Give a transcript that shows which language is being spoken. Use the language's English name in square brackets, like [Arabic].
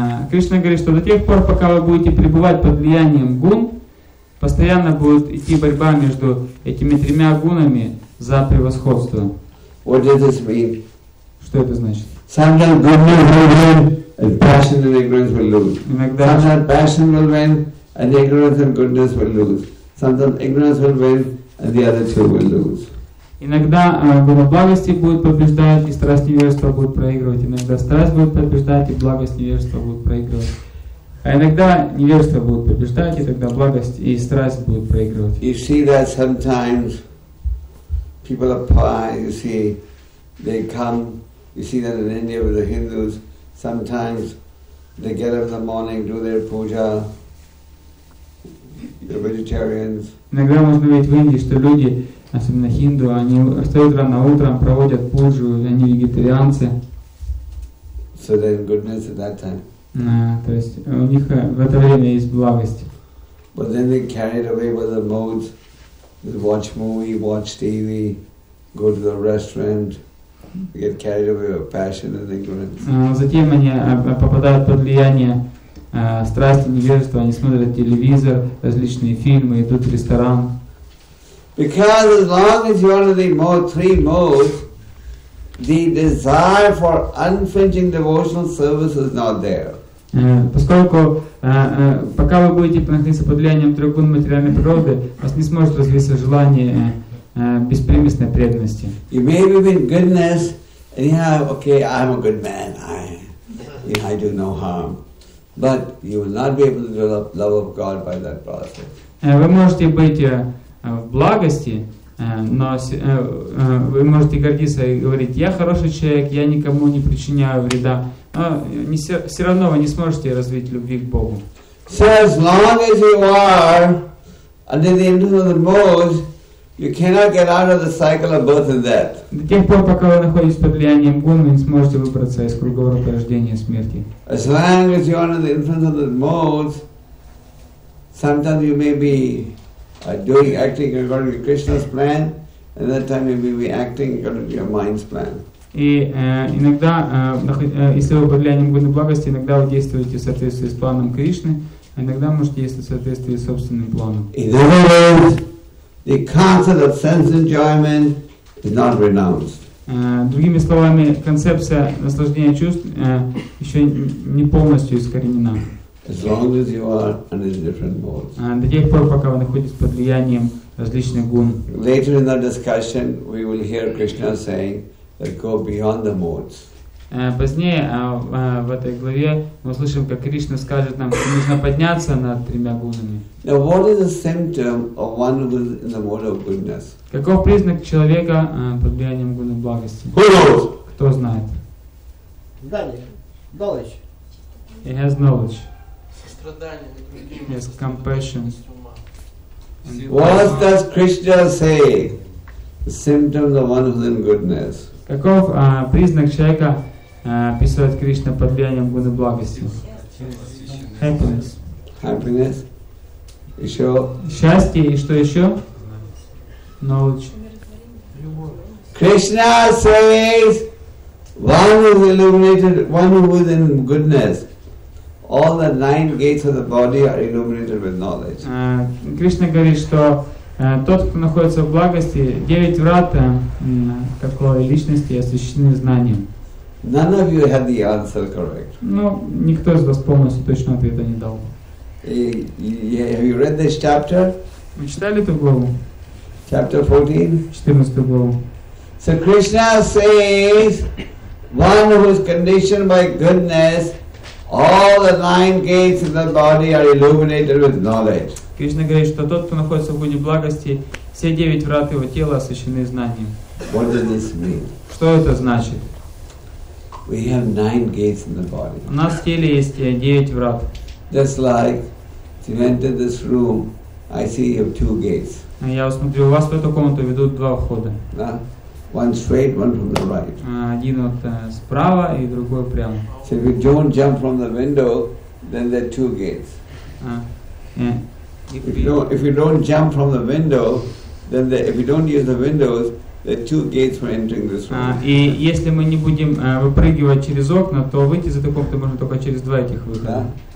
[Russian] Кришна говорит, что до тех пор, пока вы будете пребывать под влиянием гун, постоянно будет идти борьба между этими тремя гунами за превосходство. [English] What does this mean? [Russian] Что это значит? [English] Sometimes goodness will win, and passion and ignorance will lose. [Russian] Иногда. [English] Sometimes passion will win, and ignorance and goodness will lose. Sometimes ignorance will win, and the other two will lose. [Russian] Иногда гуна благости будет побеждать, и страсть невежества будет проигрывать. Иногда страсть будет побеждать, и благость невежества будет проигрывать. А иногда невежество будет побеждать, и тогда благость и страсть будут проигрывать. [English] You see that sometimes people apply, you see, they come, you see that in India with the Hindus, sometimes they get up in the morning, do their puja, the vegetarians. [Russian] Иногда можно видеть в Индии, что люди, особенно хинду, они встают рано утром, проводят пуджу, они вегетарианцы. [English] So then goodness at that time. [Russian] То есть у них в это время есть благость. [English] But then they carry it away with the modes. They watch movie, watch TV, go to the restaurant. They get carried away with passion and ignorance. [Russian] Затем они попадают под влияние страсти, невежества. Они смотрят телевизор, различные фильмы, идут в ресторан. [English] Because as long as you are in the mode, three modes, the desire for unflinching devotional service is not there. [Russian] Поскольку пока вы будете находиться под влиянием трех гун материальной природы, вас не сможет развиться желание беспримесной преданности. [English] You may be in goodness, and you have, okay, I'm a good man, I do no harm. But you will not be able to develop love of God by that process. [Russian] Вы можете быть в благости, Но вы можете гордиться и говорить: я хороший человек, я никому не причиняю вреда. Но не, все равно вы не сможете развить любви к Богу. [English] So as long as you are under the influence of the mood, you cannot get out of the cycle of birth and death. [Russian] До тех пор, пока вы находитесь под влиянием гун, вы не сможете выбраться из круговорота рождения и смерти. [English] As long as you are under the influence of the mood, sometimes you may be doing acting according to Krishna's plan, and that time you may be acting according to your mind's plan. [Russian] И иногда, если вы под влиянием гуны благости, иногда вы действуете в соответствии с планом Кришны, а иногда можете действовать в соответствии с собственным планом. [English] In other words, the concept of sense enjoyment is not renounced. [Russian] Другими словами, концепция наслаждения чувств еще не полностью искоренена. [English] As long as you are under different modes. [Russian] До тех пор, пока вы находитесь под влиянием различных гун. [English] Later in the discussion, we will hear Krishna saying, go beyond the modes. [Russian] Позднее в этой главе мы услышим, как Кришна скажет нам, что нужно подняться над тремя гунами. [English] Now, what is the symptom of one who is in the mode of goodness? [Russian] Каков признак человека под влиянием гуны благости? [English] Who knows? [Russian] Кто знает? [English] Knowledge. He has knowledge. [Russian] Сострадание. [English] Yes, compassion. What does Krishna say? The symptom of one who is in goodness. [Russian] Каков признак человека, описывает Кришна под влиянием гуны благости? [English] Happiness. Happiness. [Russian] Еще? Счастье. И что еще? [English] Knowledge. [Russian] Любовь. [English] Krishna says, one who is illuminated, one who is in goodness. All the nine gates of the body are illuminated with knowledge. [Russian] Кришна говорит, что тот, кто находится в благости, девять врат какой личности освящены знанием. [English] None of you had the answer correct. [Russian] Ну, никто из вас полностью точного ответа не дал. [English] Have you read this chapter? [Russian] Вы читали эту главу? [English] Chapter 14? [Russian] 14 главу. [English] So Krishna says, one who is conditioned by goodness, all the nine gates of the body are illuminated with knowledge. [Russian] Кришна говорит, что тот, кто находится в гуне благости, все девять врат его тела освящены знанием. [English] What does this mean? [Russian] Что это значит? [English] We have nine gates in the body. [Russian] У нас в теле есть девять врат. [English] Just like, if you enter this room, I see you have two gates. [Russian] Я смотрю, у вас в эту комнату ведут два входа. [English] One straight, one from the right. [Russian] Один вот справа и другой прямо. [English] So if you don't jump from the window, then there are two gates. If you don't use the windows, there are two gates for entering this room. [Russian] И если мы не будем выпрыгивать через окна, то выйти из этой комнаты можно только через два этих выхода.